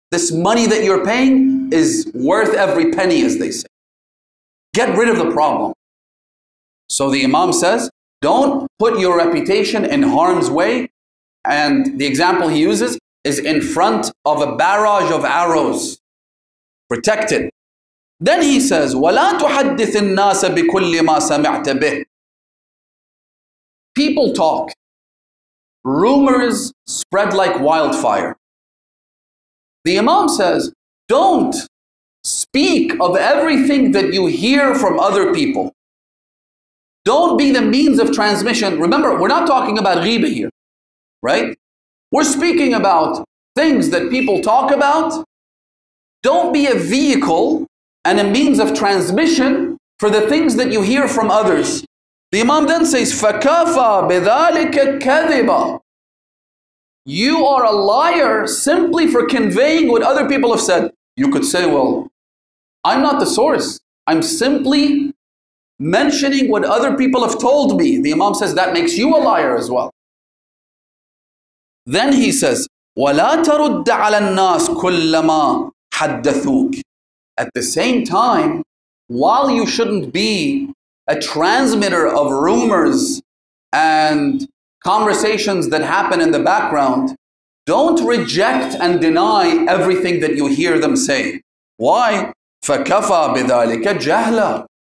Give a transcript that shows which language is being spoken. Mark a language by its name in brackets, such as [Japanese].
[English] This money that you're paying is worth every penny, as they say. Get rid of the problem. So the Imam says, don't put your reputation in harm's way. And the example he uses is in front of a barrage of arrows. Protect it. Then he says, [Arabic] وَلَا تُحَدِّثِ النَّاسَ بِكُلِّ مَا سَمِعْتَ بِهِ. [English] People talk. Rumors spread like wildfire. The Imam says, don't speak of everything that you hear from other people. Don't be the means of transmission. Remember, we're not talking about ghibah here, right? We're speaking about things that people talk about. Don't be a vehicle and a means of transmission for the things that you hear from others. The Imam then says, [Arabic] فَكَفَى بِذَلِكَ كَذِبًا. [English] You are a liar simply for conveying what other people have said. You could say, well, I'm not the source. I'm simply mentioning what other people have told me. The Imam says that makes you a liar as well. Then he says, [Arabic] وَلَا تَرُدَّ عَلَى النَّاسِ كُلَّ مَا حَدَّثُوكِ. [English] At the same time, while you shouldn't be a transmitter of rumors and conversations that happen in the background, don't reject and deny everything that you hear them say. Why? [Arabic] فَكَفَى بِذَٰلِكَ جَهْلًا.